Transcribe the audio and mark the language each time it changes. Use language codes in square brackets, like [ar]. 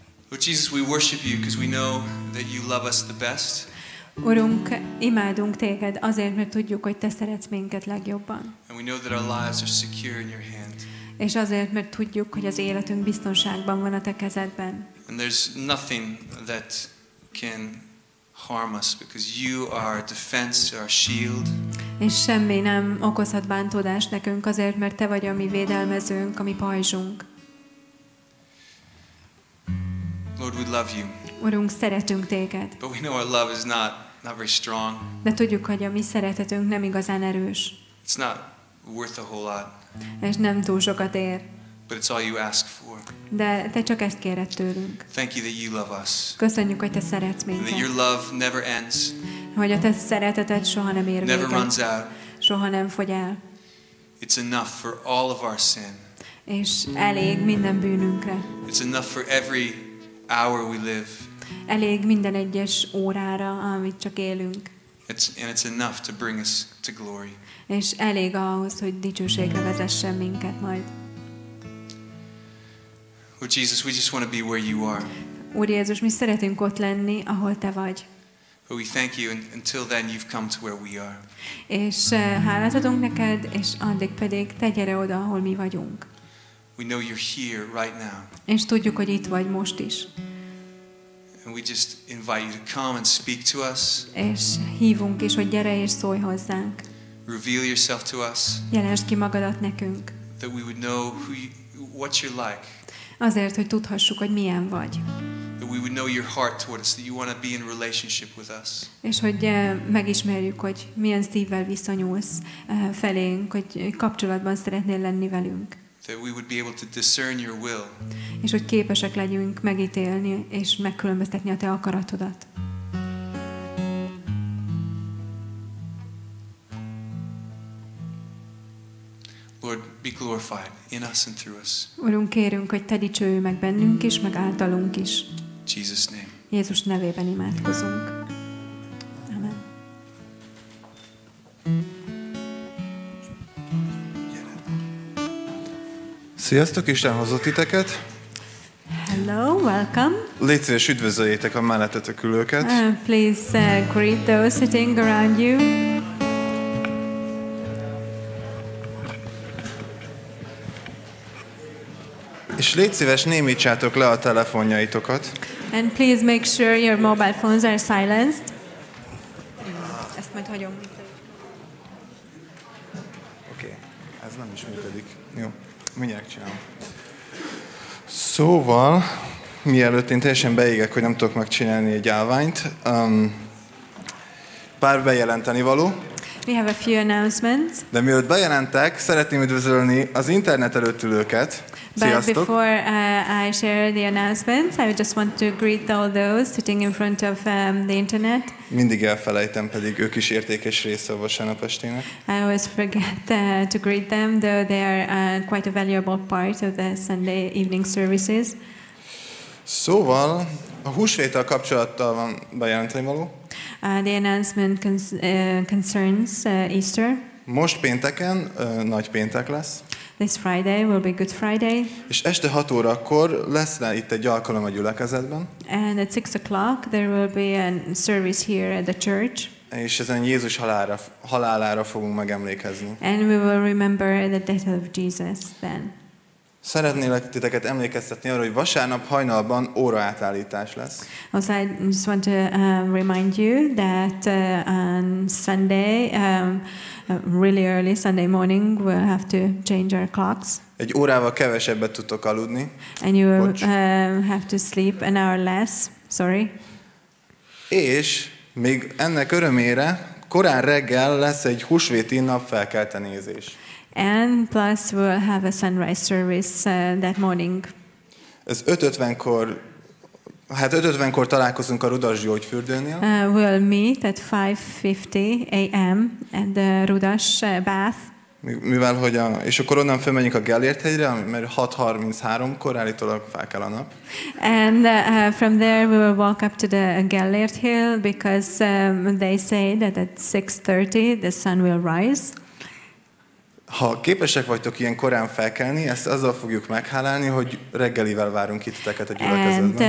[en] Lord Jesus, we worship you because we know that you love us the best. [hu] Urunk, imádunk téged azért, mert tudjuk, hogy te szeretsz minket legjobban. [en] And we know that our lives are secure in your hand. [hu] És azért, mert tudjuk, hogy az életünk biztonságban van a te kezedben. [en] And there's nothing that can harm us because you are our defense, our shield. [hu] És semmi nem okozhat bántódást nekünk azért, mert te vagy a mi védelmezőnk, a mi pajzsunk. [en] Lord, we love you. [hu] Urunk, szeretünk téged. [en] But we know our love is not very strong. [hu] De tudjuk, hogy a mi szeretetünk nem igazán erős. [en] It's not worth a whole lot. [hu] És nem túl sokat ér. [en] But it's all you ask for. [hu] De te csak ezt kéred tőlünk. [en] Thank you that you love us. [hu] Köszönjük, hogy te szeretsz minket. [en] And that your love never ends. [hu] Hogy a te szereteted soha nem ér véget. [en] Never runs out. [hu] Soha nem fogy el. [en] It's enough for all of our sin. [hu] És elég minden bűnünkre. [en] It's enough for every hour we live. [hu] Elég minden egyes órára, amit csak élünk. [en] It's enough to bring us to glory. [hu] És elég ahhoz, hogy dicsőségre vezessen minket majd. [en] Lord Jesus, we just want to be where you are. [hu] Úr Jézus, mi szeretünk ott lenni, ahol te vagy. [en] But we thank you, and until then you've come to where we are. [hu] És hálát adunk neked, és addig pedig te gyere oda, ahol mi vagyunk. [en] We know you're here right now. [hu] És tudjuk, hogy itt vagy most is. [en] And we just invite you to come and speak to us. [hu] És hívunk is, hogy gyere és szólj hozzánk. [en] Reveal yourself to us. [hu] Jelensd ki magadat nekünk. [en] That we would know who you, what you're like. [hu] Azért, hogy tudhassuk, hogy milyen vagy. [en] That we would know your heart toward us, that you want to be in relationship with us. [hu] És hogy megismerjük, hogy milyen szívvel viszonyulsz felénk, hogy kapcsolatban szeretnél lenni velünk. [en] That we would be able to discern your will. [hu] És hogy képesek legyünk megítélni és megkülönböztetni a te akaratodat. [en] Lord, be glorified in us and through us. [hu] Urunk, kérünk, hogy te dicsőj meg bennünk is, meg általunk is. [en] Jesus name. [hu] Jézus nevében imádkozunk. Amen. Sziasztok, Isten hozott titeket. [en] Hello, welcome. [hu] Légy szíves, üdvözöljétek a mellettetek ülőket. [en] Please greet those sitting around you. [hu] És légy szíves, némítsátok le a telefonjaitokat. [en] And please make sure your mobile phones are silenced. [hu] Ezt majd hagyom. Oké, ez nem is működik. Jó. Mindjárt csinálom. Szóval, mielőtt én teljesen beégek, hogy nem tudok megcsinálni egy állványt, pár bejelenteni való. [en] We have a few announcements. [hu] De mielőtt bejelentek, szeretném üdvözölni az internet előtt ülőket. Sziasztok! [en] But before I share the announcements, I just want to greet all those sitting in front of the internet. [hu] Mindig elfelejtem, pedig ők is értékes része a vasárnap estének. [en] I always forget to greet them, though they are quite a valuable part of the Sunday evening services. [hu] Szóval, a húsvéttel kapcsolattal van bejelenteni való. [en] The announcement concerns Easter. [hu] Most pénteken nagy péntek lesz. [en] This Friday will be Good Friday. [hu] És este 6 órakor lesz le itt egy alkalom a gyülekezetben. [en] And at 6 o'clock there will be a service here at the church. [hu] És ezen Jézus halálára fogunk megemlékezni. [en] And we will remember the death of Jesus then. [hu] Szeretnélek titeket emlékeztetni arra, hogy vasárnap hajnalban óraátállítás lesz. [en] Also, I just want to remind you that on Sunday, really early Sunday morning, we'll have to change our clocks. [hu] Egy órával kevesebbet tudtok aludni. [en] And you will have to sleep an hour less, sorry. [hu] És még ennek örömére korán reggel lesz egy húsvéti nap felkelte nézés. [en] And plus we'll have a sunrise service that morning. [hu] ez 5:50-kor, hát 5:50-kor találkozunk a Rudas gyógyfürdőnél. [en] We'll meet at 5:50 a.m. at the Rudas bath. [hu] Mivel hogy a, és akkor onnan fölmegyünk a Gellért hegyre, mert 6:33-kor állítólag fel kell a nap. [en] And from there we will walk up to the Gellért hill because they say that at 6:30 the sun will rise. [hu] Ha képesek vagytok ilyen korán felkelni, ezt azzal fogjuk meghálálni, hogy reggelivel várunk itt titeket a gyülekezetben.